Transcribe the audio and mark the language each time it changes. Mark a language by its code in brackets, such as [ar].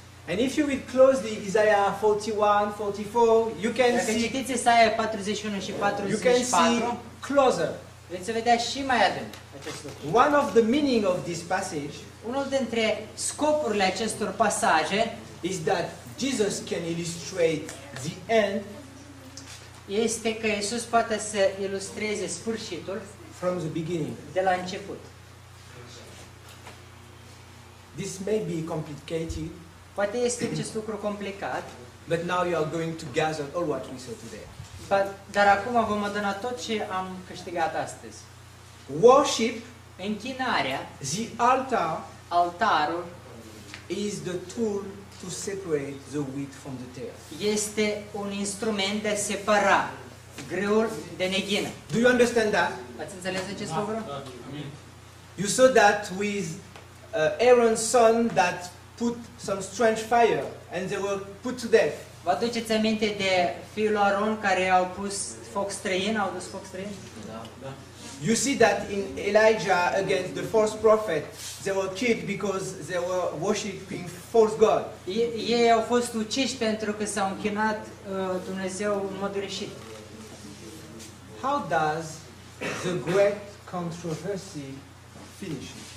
[en] And if you read closely Isaiah 41, 44, you can see. [ro] Dacă citiți Isaia 41 și 44, [en] you can see closer. [ro] Veți vedea și mai adânc acest lucru. [en] One of the meaning of this passage. [ro] Unul dintre scopurile acestor pasaje [en] is that Jesus can illustrate the end. [ro] Este că Iisus poate să ilustreze sfârșitul [en] from the beginning, [ro] de la început. [en] This may be complicated. [ro] Poate este acest lucru complicat. [en] But now you are going to gather all what we saw today. [ro] Dar acum vom adăna tot ce am câștigat astăzi. [en] Worship, [ro] închinarea, [en] the altar, [ro] altarul, [en] is the tool to separate the wheat from the tares. [ro] Este un instrument de a separa grâul de neghină. [en] Do you understand that? [ro] Ați înțeles acest lucru? [en] You saw that with Aaron's son that put some strange fire and they were put to death. [ro] Vă aduceți aminte de fiul lui Aaron care au pus foc străin, au dus foc străin? Da. [en] You see that in Elijah against the false prophet, they were killed because they were worshiping false god. [ro] Ei au fost uciși pentru că s-au închinat Dumnezeu în mod greșit. [en] How does the great controversy finish?